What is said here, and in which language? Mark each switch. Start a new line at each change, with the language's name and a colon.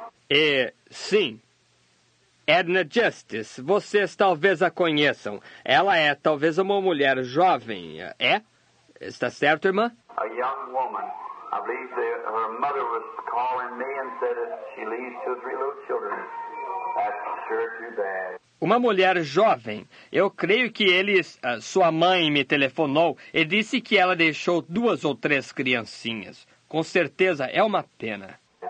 Portuguese: E, sim, Edna Justice, vocês talvez a conheçam. Ela é talvez uma mulher jovem, é? Está certo, irmã?
English: A young woman. I believe that her mother was calling me and said that she leaves 2 or 3 little children. That's sure too bad.
Portuguese: Uma mulher jovem. Eu creio que sua mãe me telefonou e disse que ela deixou 2 ou 3 criancinhas. Com certeza é uma pena.